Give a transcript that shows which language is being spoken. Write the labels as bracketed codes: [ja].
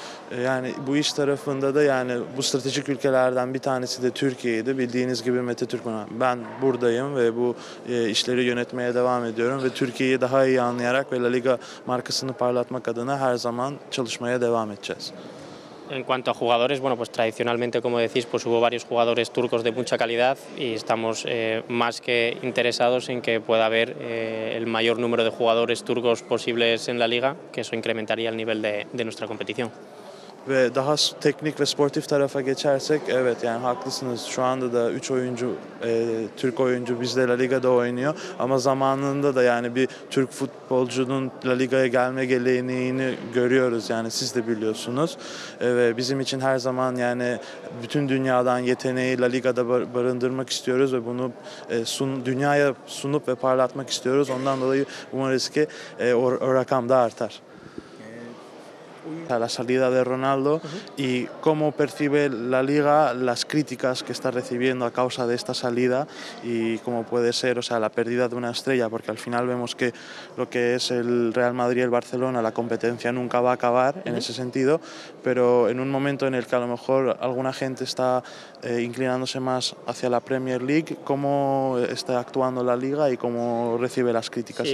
[tr] Yani bu iş tarafında da yani bu stratejik ülkelerden bir tanesi de Türkiye'ydi. Bildiğiniz gibi Mete Türkmen, ben buradayım ve bu işleri yönetmeye devam ediyorum. Ve Türkiye'yi daha iyi anlayarak ve La Liga markasını parlatmak adına her zaman çalışmaya devam edeceğiz. [es] En cuanto a jugadores, bueno, pues tradicionalmente, como decís, pues hubo varios jugadores turcos de mucha calidad y estamos más que interesados en que pueda haber el mayor número de jugadores turcos posibles en la liga, que eso incrementaría el nivel de nuestra competición. [tr] ve daha teknik ve sportif tarafa geçersek evet yani haklısınız. Şu anda da 3 oyuncu, Türk oyuncu bizde La Liga'da oynuyor. Ama zamanında da yani bir Türk futbolcunun La Liga'ya gelme geleneğini görüyoruz. Yani siz de biliyorsunuz. Ve bizim için her zaman yani bütün dünyadan yeteneği La Liga'da barındırmak istiyoruz. Ve bunu dünyaya sunup ve parlatmak istiyoruz. Ondan dolayı umarız ki o rakam da artar. [es] A la salida de Ronaldo y cómo percibe la liga las críticas que está recibiendo a causa de esta salida y cómo puede ser, o sea, la pérdida de una estrella, porque al final vemos que lo que es el Real Madrid y el Barcelona, la competencia nunca va a acabar en ese sentido, pero en un momento en el que a lo mejor alguna gente está inclinándose más hacia la Premier League, ¿cómo está actuando la liga y cómo recibe las críticas